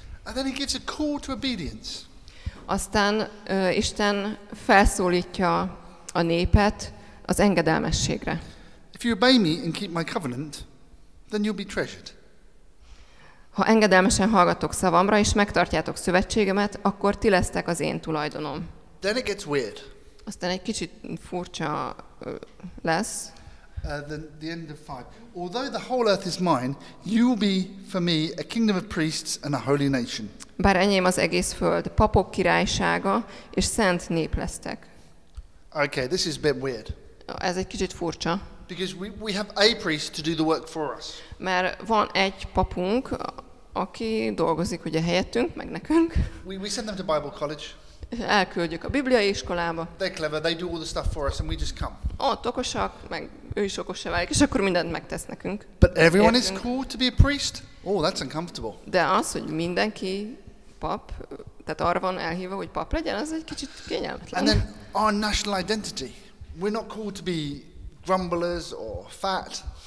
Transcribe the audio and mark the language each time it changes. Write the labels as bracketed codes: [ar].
[en] And then he gives a call to obedience. [hu] Aztán Isten felszólítja a népet az engedelmességre. [en] If you obey me and keep my covenant, then you'll be treasured. [hu] Ha engedelmesen hallgattok szavamra, és megtartjátok szövetségemet, akkor ti lesztek az én tulajdonom. [en] Then it gets weird. [hu] Aztán egy kicsit furcsa lesz. [en] The end of 5. Although the whole earth is mine, you will be for me a kingdom of priests and a holy nation. [hu] Bár enyém az egész föld, papok királysága és szent nép lesztek. [en] Okay, this is a bit weird. [hu] Ez egy kicsit furcsa. [en] Because we have a priest to do the work for us. [hu] Mert van egy papunk, aki dolgozik ugye helyettünk, meg nekünk. [en] We send them to Bible college. [hu] elküldjük a bibliai iskolába. [en] They're clever, they do all the stuff for us and we just come. [hu] Ott okosak, meg ő is okossá válik, és akkor mindent megtesz nekünk. [en] But everyone is cool to be a priest? Oh, that's uncomfortable. [hu] De az, hogy mindenki pap, tehát arra van elhívva, hogy pap legyen, az egy kicsit kényelmetlen. [en] And then our national identity. We're not cool to be grumblers or fat.